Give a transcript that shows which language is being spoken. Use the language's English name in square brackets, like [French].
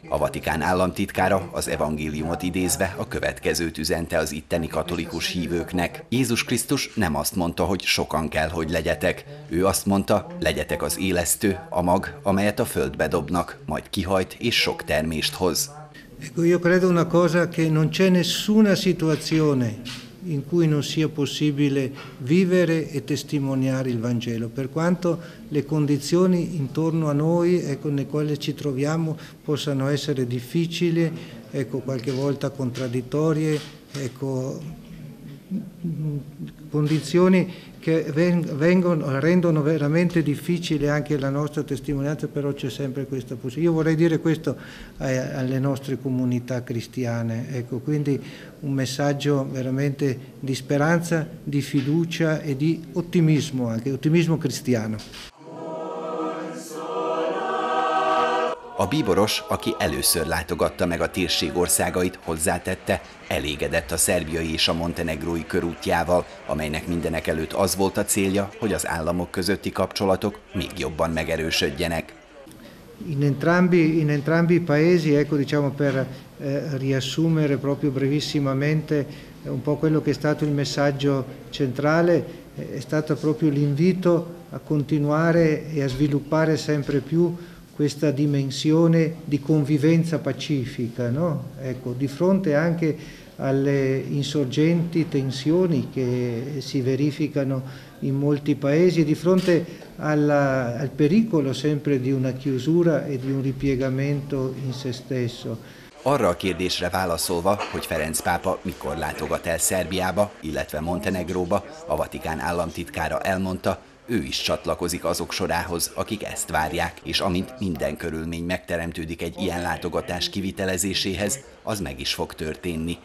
[Hungarian] A Vatikán államtitkára az evangéliumot idézve a következőt üzente az itteni katolikus hívőknek. Jézus Krisztus nem azt mondta, hogy sokan kell, hogy legyetek. Ő azt mondta, legyetek az élesztő, a mag, amelyet a földbe dobnak, majd kihajt és sok termést hoz. [Italian] Io credo una cosa che non c'è nessuna situazione in cui non sia possibile vivere e testimoniare il Vangelo, per quanto le condizioni intorno a noi, ecco, nelle quali ci troviamo, possano essere difficili, ecco, qualche volta contraddittorie, ecco, condizioni che vengono, rendono veramente difficile anche la nostra testimonianza, però c'è sempre questa possibilità. Io vorrei dire questo alle nostre comunità cristiane, ecco, quindi un messaggio veramente di speranza, di fiducia e di ottimismo, anche ottimismo cristiano. [Hungarian] A bíboros, aki először látogatta meg a térség országait, hozzátette, elégedett a szerbiai és a montenegrói körútjával, amelynek mindenek előtt az volt a célja, hogy az államok közötti kapcsolatok még jobban megerősödjenek. [Italian] In entrambi i paesi, ecco, diciamo per riassumere proprio brevissimamente un po' quello che è stato il messaggio centrale, è stato proprio l'invito a continuare e a sviluppare sempre più questa dimensione di convivenza pacifica, no? Ecco, di fronte anche alle insorgenti tensioni che si verificano in molti paesi, di fronte al pericolo sempre di una chiusura e di un ripiegamento in se stesso. [Hungarian] Arra a kérdésre válaszolva, hogy Ferenc pápa mikor látogat el Szerbiába, illetve Montenegróba, a Vatikán államtitkára elmondta, ő is csatlakozik azok sorához, akik ezt várják, és amint minden körülmény megteremtődik egy ilyen látogatás kivitelezéséhez, az meg is fog történni.